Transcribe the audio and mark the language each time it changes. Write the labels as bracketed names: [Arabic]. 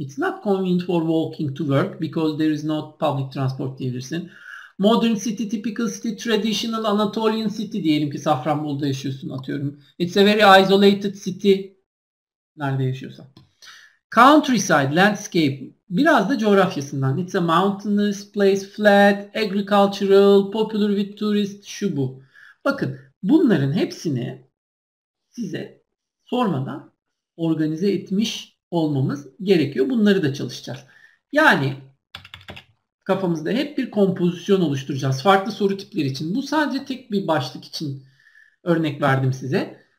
[English] It's not convenient for walking to work because there is no public transport diyebilirsin. Modern city, typical city, traditional Anatolian city [Turkish] diyelim ki Safranbolu'da yaşıyorsun atıyorum. [English] It's a very isolated city. [Turkish] Nerede yaşıyorsan. [English] Countryside, landscape. [Turkish] Biraz da coğrafyasından. [English] It's a mountainous place, flat, agricultural, popular with tourists, [Turkish] şu bu. Bakın bunların hepsini size sormadan organize etmiş olmamız gerekiyor. Bunları da çalışacağız. Yani kafamızda hep bir kompozisyon oluşturacağız. Farklı soru tipleri için. Bu sadece tek bir başlık için örnek verdim size.